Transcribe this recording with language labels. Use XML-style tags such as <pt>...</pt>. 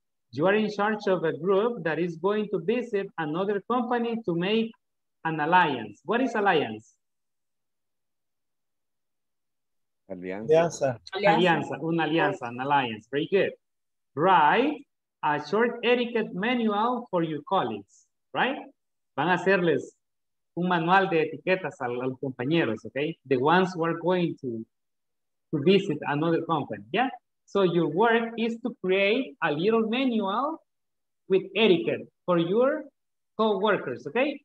<en>You are in charge of a group that is going to visit another company to make an alliance. What is alliance?</en> <es>Alianza. Alianza, una alianza,</es> <en>an alliance. Very good. Write a short etiquette manual for your colleagues, right?</en> <es>Van a hacerles un manual de etiquetas a los compañeros, okay?</es> <en>The ones who are going to visit another company, yeah? So your work is to create a little manual with etiquette for your co-workers, okay?</en>